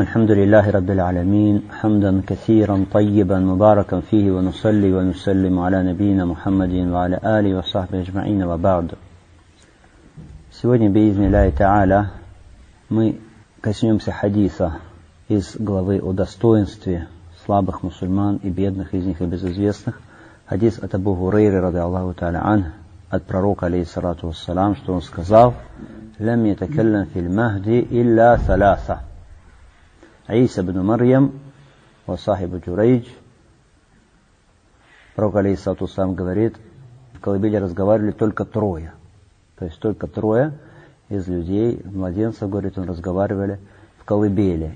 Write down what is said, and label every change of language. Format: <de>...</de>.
<ar>الحمد لله رب العالمين، حمدا كثيرا طيبا مباركا فيه، ونصلي ونسلم على نبينا محمد وعلى آله وصحبه أجمعين، وبعد.</ar> <ru>Сегодня</ru> <ar>بإذن الله تعالى</ar> <ru>мы коснемся حديثة из главы о достоинстве слабых мусульман и бедных из них и безызвестных.</ru> <ar>Хадис от Абу Хурейры رضي الله تعالى عنه от пророка عليه الصلاة والسلام,</ar> <ru>что он сказал:</ru> <ar>لم يتكلم في المهدي إلا ثلاثة: عيسى بن مريم وصاحب جريج.</ar> <ru>Пророк عليه الصلاة والسلام говорит, в колыбели разговаривали только трое. То есть только трое из людей, младенцев, говорит он, разговаривали в колыбели.</ru>